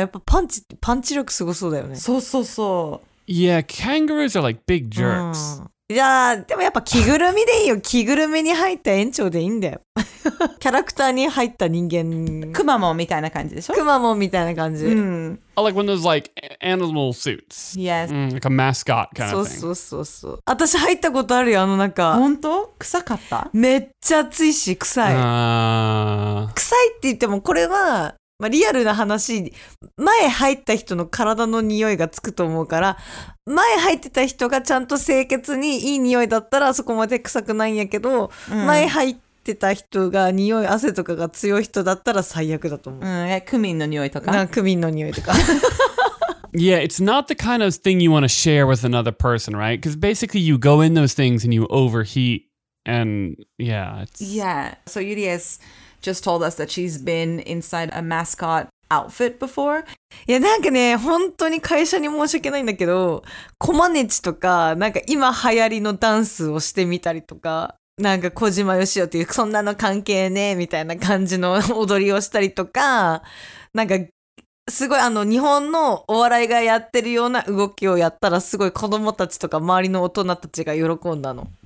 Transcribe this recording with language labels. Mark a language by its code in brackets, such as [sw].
[ja] やっぱパンチ力すごそうだよね。そうそうそう。 [en] Yeah, kangaroos are like big jerks. [ja] いやでもやっぱ着ぐるみでいいよ。着ぐるみに入った園長でいいんだよ。キャラクターに入った人間。クマモンみたいな感じでしょ？クマモンみたいな感じ。うん。 [en] I like one of those like animal suits. Yes. Mm, like a mascot kind of thing. [ja] そうそうそう。私入ったことあるよ、あのなんか。本当？臭かった？めっちゃ熱いし、臭い。臭いって言っても、これは、まあ、リアルな話、前入った人の体の匂いがつくと思うから、前入ってた人がちゃんと清潔にいい匂いだったらそこまで臭くないんやけど、うん、前入って、てた人が匂い汗とかが強い人だったら最悪だと思う。うん、クミンの匂いとか。クミンの匂いとか。 [en] Yeah, it's not the kind of thing you want to share with another person, right? Because basically you go in those things and you overheat and yeah, it's... Yeah. So Yurias just told us that she's been inside a mascot outfit before. [ja] いやなんかね、本当に会社に申し訳ないんだけど、コマネチとかなんか今流行りのダンスをしてみたりとか。なんか小島よしおっていうそんなの関係ねえみたいな感じの踊りをしたりとかなんかすごいあの日本のお笑いがやってるような動きをやったらすごい子供たちとか周りの大人たちが喜んだの